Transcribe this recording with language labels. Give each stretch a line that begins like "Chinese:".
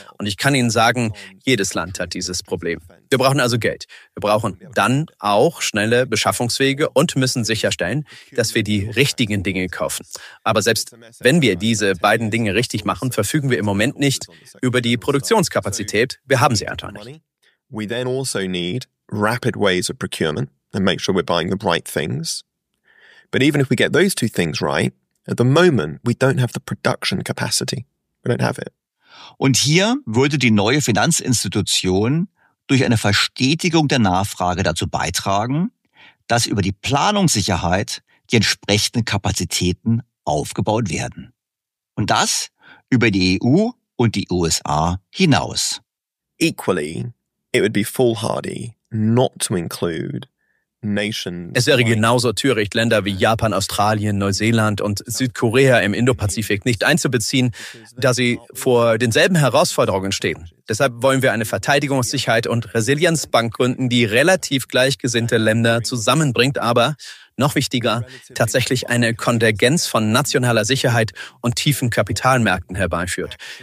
German: Und ich kann Ihnen sagen, jedes Land hat dieses Problem. Wir brauchen also Geld. Wir brauchen dann auch schnelle Beschaffungswege und müssen sicherstellen, dass wir die richtigen Dinge kaufen. Aber selbst wenn wir diese beiden Dinge richtig machen, verfügen wir im Moment nicht über die Produktionskapazität. Wir haben sie einfach nicht.
English: We then also need rapid ways of procurement and make sure we're buying the right things. But even if we get those two things right, at the moment, we don't have the production capacity. We don't have it.
German: Und hier würde die neue Finanzinstitution durch eine Verstetigung der Nachfrage dazu beitragen, dass über die Planungssicherheit die entsprechenden Kapazitäten aufgebaut werden. Und das über die EU und die USA hinaus.
English: Equally, it would be foolhardy not to include nations.
German: Es wäre genauso töricht, Länder wie Japan, Australien, Neuseeland und Südkorea im Indopazifik nicht einzubeziehen, da sie vor denselben Herausforderungen stehen. Deshalb wollen wir eine Verteidigungssicherheit und Resilienzbank gründen, die relativ gleichgesinnte Länder zusammenbringt, aber noch wichtiger, tatsächlich eine Konvergenz von nationaler Sicherheit und tiefen Kapitalmärkten herbeiführt.